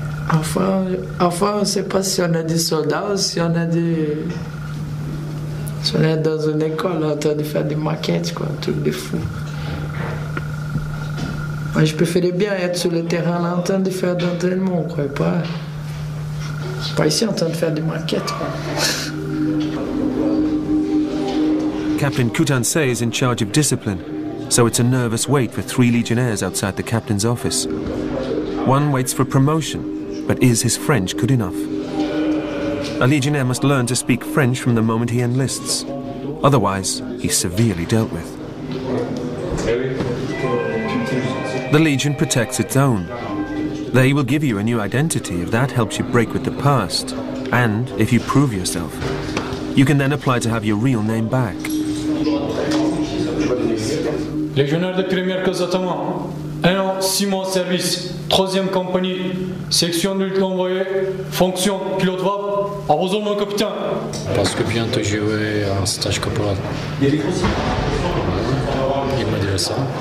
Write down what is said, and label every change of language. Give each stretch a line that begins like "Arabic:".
French: Enfin, on ne sait pas si on est des soldats ou si on est des... Si on est dans une école en train de faire des maquettes, quoi, un truc de fou. Moi, je préférais bien être sur le terrain là, en train de faire d'entraînement, quoi, et pas... Pas ici en train de faire des maquettes, quoi.
English: Captain Coutancé is in charge of discipline, so it's a nervous wait for three legionnaires outside the captain's office. One waits for promotion, but is his French good enough? A legionnaire must learn to speak French from the moment he enlists. Otherwise, he's severely dealt with. The Legion protects its own. They will give you a new identity if that helps you break with the past, and if you prove yourself. You can then apply to have your real name back.
French: Légionnaire de première casatama, 1 an, 6 mois en service, 3e compagnie, section de lutte envoyée, fonction, pilote VAP, à vos ordres, mon capitaine. Parce que bientôt je vais en stage corporal. Il y a des il m'a dit ça.